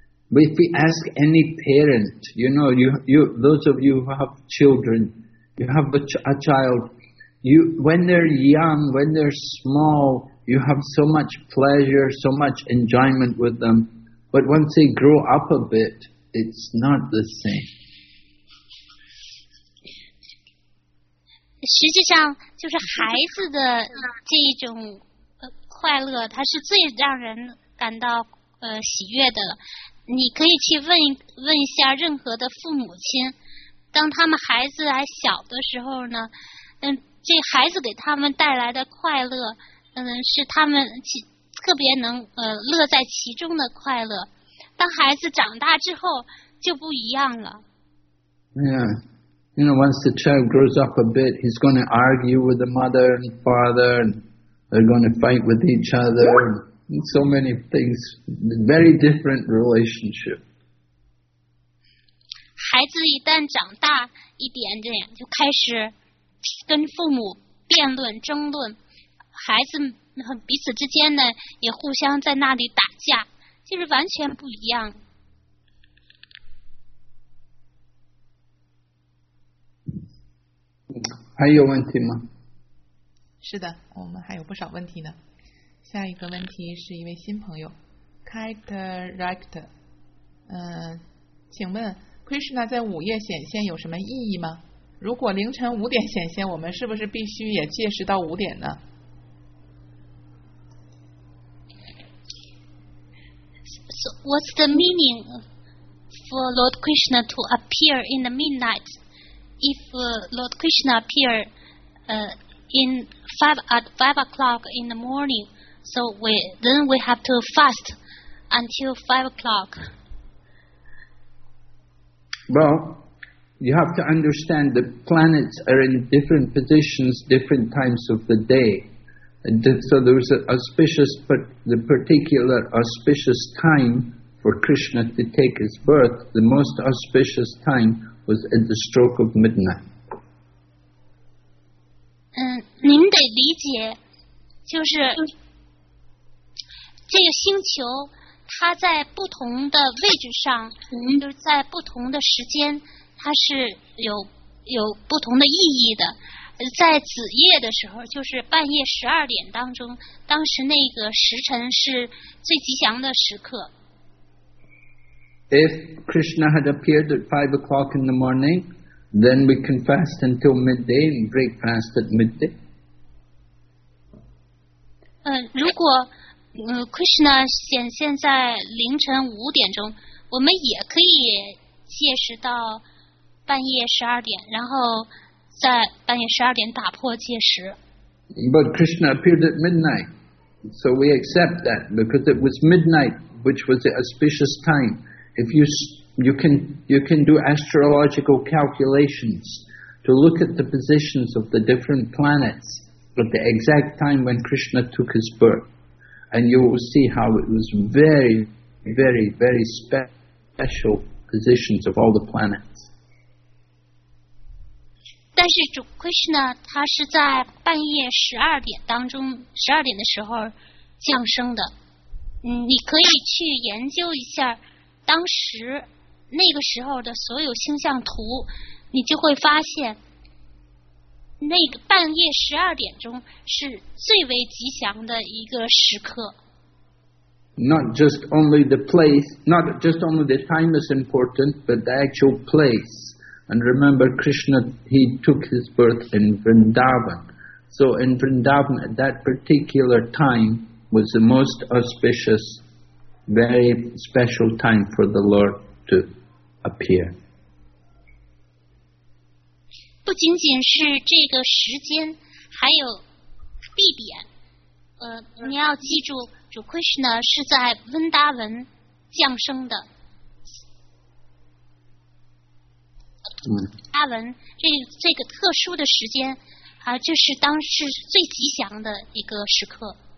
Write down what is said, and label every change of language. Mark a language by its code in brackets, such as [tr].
[en] If we ask any parent, you know, you those of you who have children, you have a child, when they're young, when they're small, you have so much pleasure, so much enjoyment with them. But once they grow up a bit, it's not the same. [zh] 实际上就是孩子的这种快乐，它是最让人感到喜悦的。你可以去问一下任何的父母亲，当他们孩子还小的时候呢，这孩子给他们带来的快乐，是他们特别能乐在其中的快乐。当孩子长大之后就不一样了。 [en] Yeah, you know, once the child grows up a bit, he's going to argue with the mother and father, and they're going to fight with each other, and so many things, very different relationship. [zh] 孩子一旦长大一点点，就开始跟父母辩论、争论，孩子和彼此之间呢，也互相在那里打架，就是完全不一样。还有问题吗？是的，我们还有不少问题呢。下一个问题是一位新朋友 ，Kaitrakt， 请问。 Krishna 在午夜显现有什么意义吗？如果凌晨五点显现，我们是不是必须也届时到五点呢？ [en] So, what's the meaning for Lord Krishna to appear in the midnight? If Lord Krishna appear in five o'clock in the morning, so we have to fast until 5 o'clock. Well, you have to understand that planets are in different positions, different times of the day. And so there's an auspicious, the particular auspicious time for Krishna to take his birth, the most auspicious time was at the stroke of midnight. [zh] 您得理解，就是这个星球它在不同的位置上，就是在不同的时间，它是有不同的意义的。在子夜的时候，就是半夜十二点当中，当时那个时辰是最吉祥的时刻。 [en] If Krishna had appeared at 5 o'clock in the morning, then we can fast until midday and break fast at midday. [zh] 如果Krishna 显现在凌晨五点钟，我们也可以届时到半夜十二点，然后在半夜十二点打破届时。 [en] But Krishna appeared at midnight, so we accept that because it was midnight which was the auspicious time. If you can do astrological calculations to look at the positions of the different planets at the exact time when Krishna took his birth. And you will see how it was very, very, very special positions of all the planets. [zh] 但是主 Krishna 他是在半夜十二点当中，十二点的时候降生的。你可以去研究一下当时那个时候的所有星象图，你就会发现那个半夜十二点钟是最为吉祥的一个时刻。 [en] Not just only the place, not just only the time is important, but the actual place. And remember, Krishna, he took his birth in Vrindavan. So in Vrindavan, at that particular time was the most auspicious, very special time for the Lord to appear. [zh] 不仅仅是这个时间，还有地点。你要记住，主 Krishna 是在温达文降生的。温达文这个特殊的时间啊，就是当时最吉祥的一个时刻。